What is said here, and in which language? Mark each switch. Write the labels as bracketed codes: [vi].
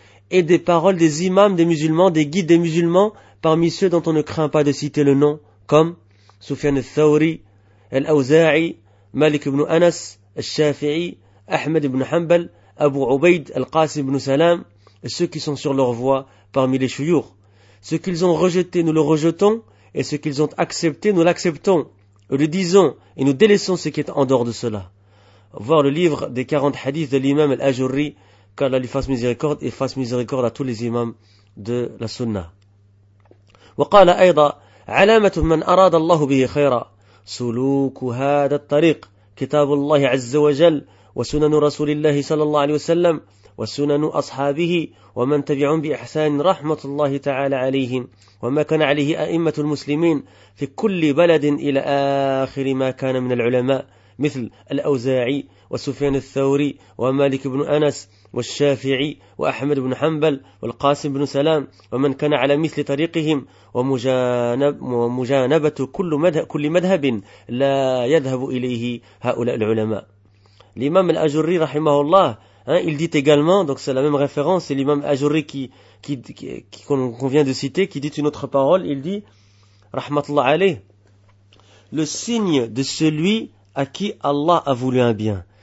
[fr] et des paroles des imams des musulmans, des guides des musulmans parmi ceux dont on ne craint pas de citer le nom comme Sufyan al-Thawri, al-Awza'i, Malik ibn Anas, al-Shafi'i, Ahmed ibn Hanbal, Abu Ubaid, al-Qasim ibn Salam, et ceux qui sont sur leur voie parmi les chouyours. Ce qu'ils ont rejeté, nous le rejetons, et ce qu'ils ont accepté, nous l'acceptons, Nous le disons et nous délaissons ce qui est en dehors de cela. Voir le livre des 40 hadiths de l'imam Al-Ajurri, qu'Allah lui fasse miséricorde et fasse miséricorde à tous les imams de la Sunna. [ar] وقال أيضا علامة من أراد الله به خيرا سلوك هذا الطريق كتاب الله عز وجل وسنن رسول الله صلى الله عليه وسلم وسنن أصحابه ومن تبعهم بإحسان رحمة الله تعالى عليهم وما كان عليه أئمة المسلمين في كل بلد إلى آخر ما كان من العلماء مثل الأوزاعي وسفيان الثوري ومالك بن أنس والشافعي وأحمد بن حنبل والقاسم بن سلام ومن كان على مثل طريقهم ومجانبة كل مذهب لا يذهب إليه هؤلاء العلماء. الإمام الأجري رحمه الله [fr] hein, il dit également, donc c'est la même référence, c'est l'imam Ajurri qu'on vient de citer, qui dit une autre parole, il dit, Rahmatullah alayh, le signe de celui à qui Allah a voulu un bien.